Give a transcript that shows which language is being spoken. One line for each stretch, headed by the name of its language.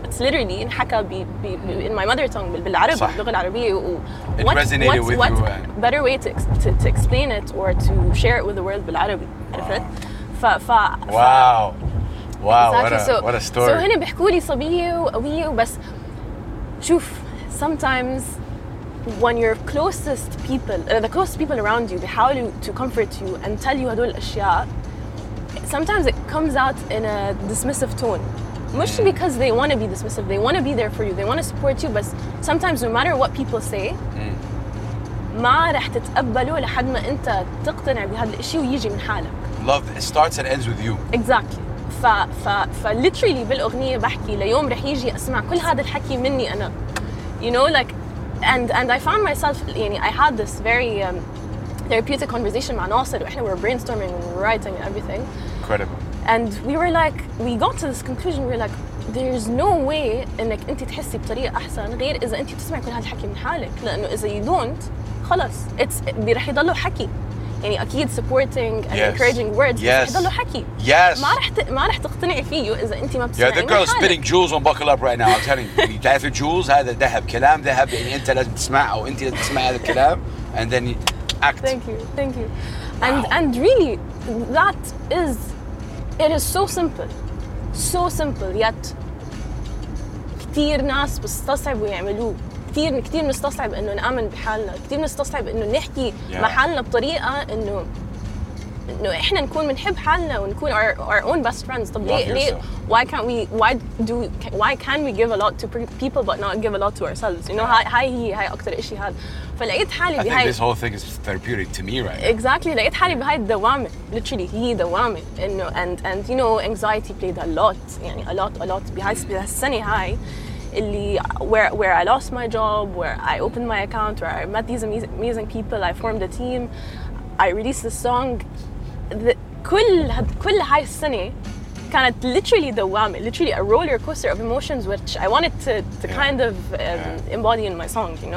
English: It's literally انحكى in my mother tongue
Arabic: بالعربي باللغة العربية.
English: What better way to explain it or to share it with the world
Arabic: بالعربي. عرفت.
English: What a story.
Arabic: So هنا بحكوا لي صبية وقوية وبس.
English: شوف, sometimes when your closest people, the closest people around you, they how to comfort you and tell you
Arabic: هدول الأشياء,
English: sometimes it comes out in a dismissive tone. Mostly because they want to be dismissive, they want to be there for you, they want to support you, but sometimes no matter what people say,
Arabic: ما رح تتقبلوا لحد ما أنت تقتنع بهذا الأشي ويجي من حالك.
English: Love starts and ends with you. Exactly.
Arabic: ف literally بالأغنية بحكي ليوم رح يجي أسمع كل هذا الحكي مني أنا.
English: You know, like, And I found myself, يعني, I had this very therapeutic conversation with Nasser. We were brainstorming and writing and everything. Incredible. And we were like, we got to this conclusion. We were like, there's no way
Arabic: إنك أنت تحسي بطريقة أحسن غير إذا أنت تسمع كل هذا الحكي من حالك. لأنه إذا
English: you don't,
Arabic: خلاص, it's بيرح يضلوا حكي.
English: يعني أكيد supporting and encouraging words. Yes.
Arabic: يضلوا حكي.
English: Yes.
Arabic: ما رح تقتنع فيه إذا أنت ما بتسمع.
English: Yeah, the girl spinning jewels on buckle up right now. I'm telling you,
Arabic: تعرف jewels هذا ذهب كلام ذهب يعني أنت لازم تسمع أو أنت لازم تسمع هذا الكلام
English: and then act. Thank you. And really, that is, it is so simple.
Arabic: Yet, كتير ناس بتستصعب ويعملوه. كتير مستصعب إنه نأمن بحالنا. كتير مستصعب إنه نحكي مع حالنا بطريقة إنه إحنا نكون منحب حالنا ونكون
English: our own best friends.
Arabic: طب ليه
English: why can we give a lot to people but not give a lot to ourselves? You know,
Arabic: هاي أكتر إشي هذا. فلقيت حالي بهاي.
English: I think this whole thing is therapeutic to me, right? Exactly.
Arabic: لقيت حالي بهاي الدوامة. Literally, هي دوامة.
English: إنه and you know, anxiety played a lot.
Arabic: يعني
English: a lot
Arabic: بهاي السنة هاي.
English: اللي where I lost my job, where I opened my account, where I met these amazing people, I formed a team, I released the song.
Arabic: كل هاي السنة كانت
English: literally دوامة, literally a roller coaster of emotions which I wanted to kind of embody in my song, you know.